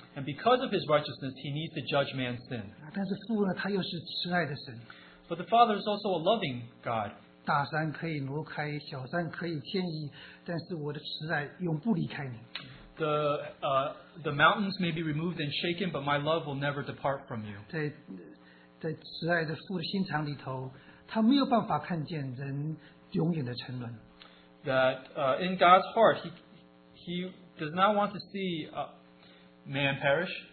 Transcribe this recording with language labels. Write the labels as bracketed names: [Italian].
[English] And because of his righteousness, he needs to judge man's sin. [Chinese] 但是父呢，他又是慈爱的神。 [English] But the Father is also a loving God. [Chinese] 大山可以挪开，小山可以迁移，但是我的慈爱永不离开你。 [English] The mountains may be removed and shaken, but my love will never depart from you. [Chinese] 在慈爱的父的心肠里头，他没有办法看见人永远的沉沦。 [English] That in God's heart, he does not want to see man perish.